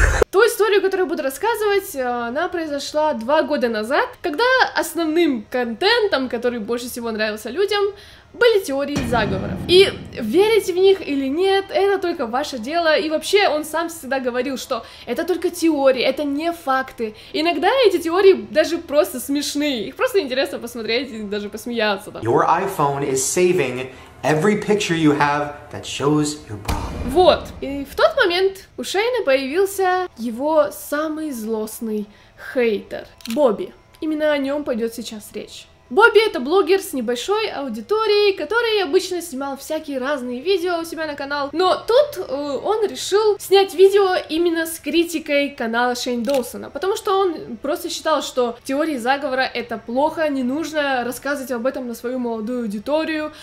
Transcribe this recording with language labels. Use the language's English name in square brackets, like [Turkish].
[Russian] Ту историю, которую я буду рассказывать, она произошла 2 года назад, когда основным контентом, который больше всего нравился людям, были теории заговоров. И верить в них или нет, это только ваше дело. И вообще, он сам всегда говорил, что это только теории, это не факты. Иногда эти теории даже просто смешные. Их просто интересно посмотреть и даже посмеяться там. [English] Your iPhone is saving every picture you have that shows your bra. [Russian] Вот. И в тот момент у Шейна появился его самый злостный хейтер. Бобби. Именно о нем пойдет сейчас речь. Бобби — это блогер с небольшой аудиторией, который обычно снимал всякие разные видео у себя на канал. Но тут он решил снять видео именно с критикой канала Шейн Доусона, потому что он просто считал, что теории заговора — это плохо, не нужно рассказывать об этом на свою молодую аудиторию.